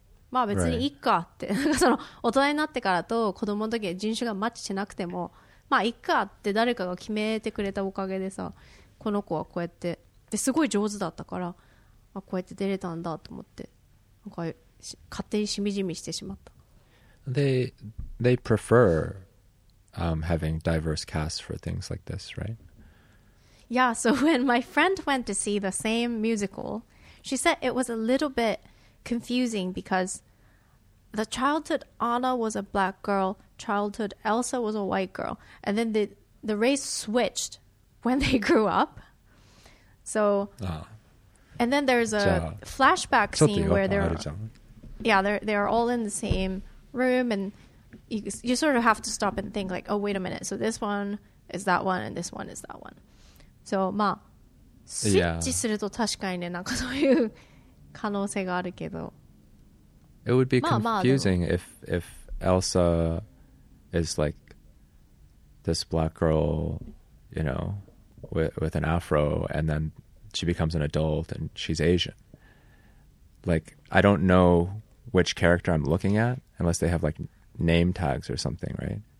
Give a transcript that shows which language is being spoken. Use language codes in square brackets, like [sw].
[ja] まあ別にいいかって、なんかその大人になってからと子供の時人種がマッチしなくても、まあいいかって誰かが決めてくれたおかげでさ、この子はこうやってですごい上手だったから。あ、こうやって出れたんだと思って、なんか勝手にしみじみしてしまった。 [en] They prefer having diverse casts for things like this, right? Yeah, so when my friend went to see the same musical, she said it was a little bit confusing because the childhood Anna was a black girl, childhood Elsa was a white girl, and then the race switched when they grew up. So... And then there's a flashback scene where they're all in the same room and you sort of have to stop and think like, oh, wait a minute. So this one is that one and this one is that one. [ja] So, まあ、スイッチすると確かにね、なんかそういう可能性があるけど。 [en] It would be confusing if Elsa is like this black girl, you know, with an afro and then she becomes an adult and she's Asian. Like, I don't know which character I'm looking at unless they have like name tags or something, right?